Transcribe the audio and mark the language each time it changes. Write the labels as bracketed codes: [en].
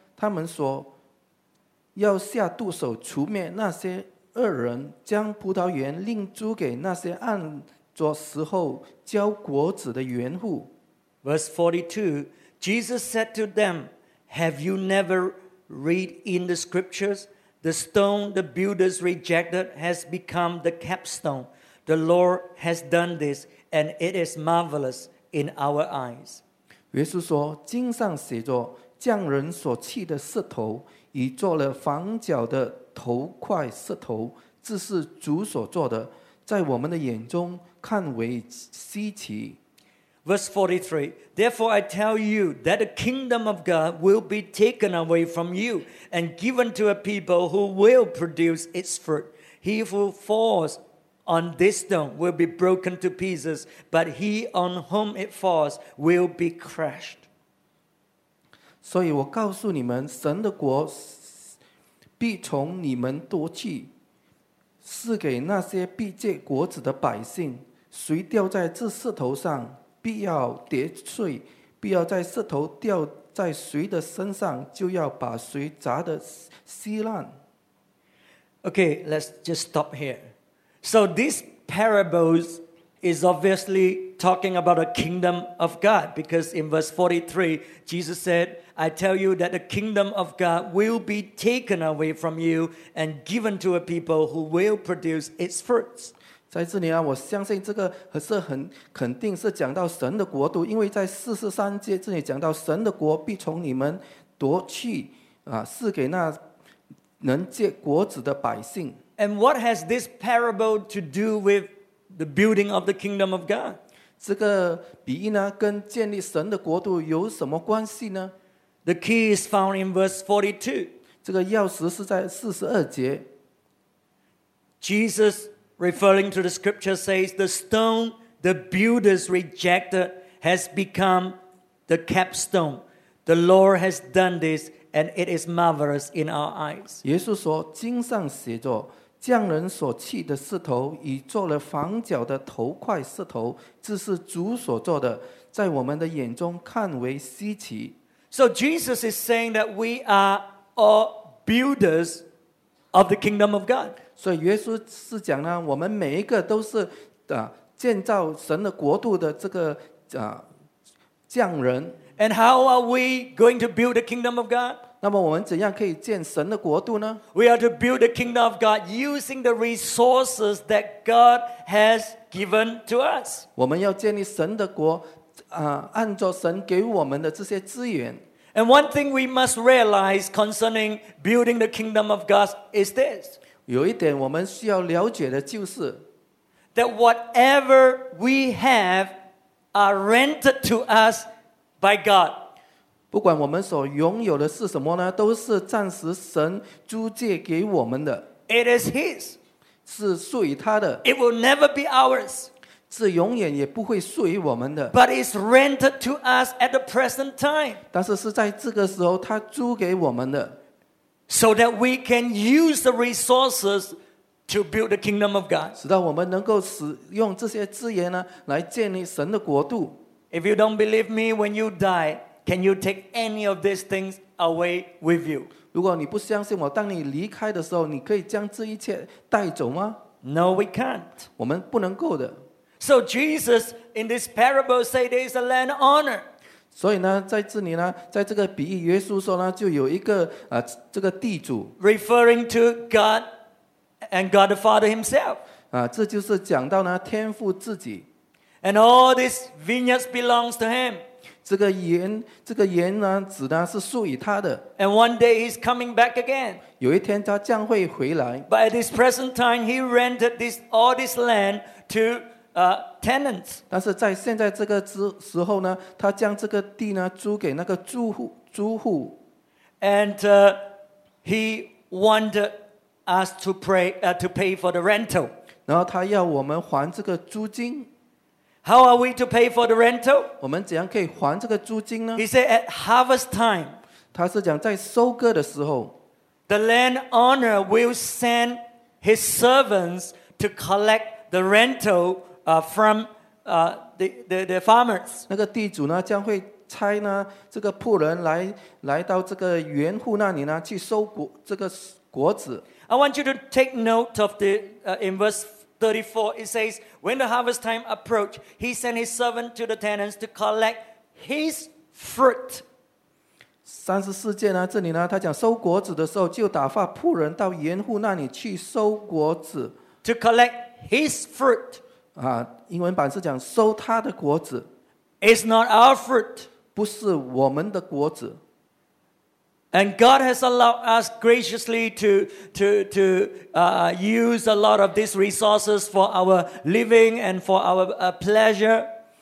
[zh] 他们说要下毒手除灭那些恶人，将葡萄园另租给那些按着时候交果子的园户。 [en] Verse 42, Jesus said to them, Have you never read in the scriptures? The stone the builders rejected has become the capstone. The Lord has done this, and it is marvelous in our eyes. [zh] 耶稣说，经上写着，匠人所弃的石头已做了房角的头块石头，这是主所做的，在我们的眼中看为稀奇。 [en] Verse 43, Therefore I tell you that the kingdom of God will be taken away from you and given to a people who will produce its fruit. He who falls on this stone will be broken to pieces, but he on whom it falls will be crushed. [zh] 所以我告诉你们，神的国必从你们夺去，赐给那些必结果子的百姓。谁掉在这石头上，必要跌碎；必要在石头掉在谁的身上，就要把谁砸得稀烂。 [en] Okay, let's just stop here. So this parables is obviously talking about the kingdom of God, because in verse 43, Jesus said,I tell you that the kingdom of God will be taken away from you and given to a people who will produce its fruits. [zh] 在这里啊，我相信这个是很肯定是讲到神的国度，因为在43节这里讲到神的国必从你们夺去，赐给那能结果子的百姓。 [en] And what has this parable to do with the building of the kingdom of God? [zh] 这个比喻呢，跟建立神的国度有什么关系呢？ [en] The key is found in verse 42. [zh] 这个钥匙是在42节。 [en] Jesus, referring to the scripture, says, The stone the builders rejected has become the capstone. The Lord has done this, and it is marvelous in our eyes. [zh] 耶稣说，经上写着，匠人所弃的石头已做了房角的头块石头，这是主所做的，在我们的眼中看为稀奇。 [en] So Jesus is saying that we are all builders of the kingdom of God. [zh] 所以耶稣是讲呢，我们每一个都是建造神的国度的这个匠人。 [en] And how are we going to build the kingdom of God? [zh] 那么我们怎样可以建神的国度呢？ [en] We are to build the kingdom of God using the resources that God has given to us. [zh] 我们要建立神的国。按照神给我们的这些资源。 [en] And one thing we must realize concerning building the kingdom of God is this. [zh] 有一点我们需要了解的就是 [en] that whatever we have are rented to us by God. [zh] 不管我们所拥有的是什么呢，都是暂时神租借给我们的。 [en] It is His. [zh] 是属于他的。 [en] It will never be ours. [zh] 是永远也不会属于我们的。 [en] But it's rented to us at the present time. [zh] 但是是在这个时候他租给我们的。 [en] So that we can use the resources to build the kingdom of God. [zh] 使到我们能够使用这些资源呢，来建立神的国度。 [en] If you don't believe me, when you die, can you take any of these things away with you? [zh] 如果你不相信我，当你离开的时候，你可以将这一切带走吗？ [en] No, we can't. [zh] 我们不能够的。 [en] So Jesus in this parable say there is a landowner. [zh] 所以呢，在这里呢，在这个比喻，耶稣说呢，就有一个这个地主。 [en] Referring to God and God the Father Himself. [zh] 这就是讲到呢，天父自己。 [en] And all this vineyards belongs to Him. [zh] 这个园呢，指呢是属于他的。 [en] And one day He's coming back again. [zh] 有一天他将会回来。 [en] But at this present time, He rented all this land to. Tenants. [zh] 但是在现在这个时候呢，他将这个地呢租给那个租户。 [en] And he wanted us to pay for the rental. [zh] 然后他要我们还这个租金。 [en] How are we to pay for the rental? [zh] 我们怎样可以还这个租金呢？ [en] He said at harvest time. [zh] 他是讲在收割的时候。 [en] The landowner will send his servants to collect the rental. From the farmers. [zh] 那个地主呢将会差呢这个仆人 来到这个园户那里呢去收果这个果子。 [en] I want you to take note of the, in verse 34, it says, when the harvest time approached, he sent his servant to the tenants to collect his fruit. [zh] 34节呢这里呢他讲收果子的时候就打发仆人到园户那里去收果子。 [en] To collect his fruit. [zh] 英文版是讲收他的果子。 [en] It's not our fruit. [zh] 不是我们的果子。 [en] And God has allowed us graciously to use a lot of these resources for our living and for our pleasure.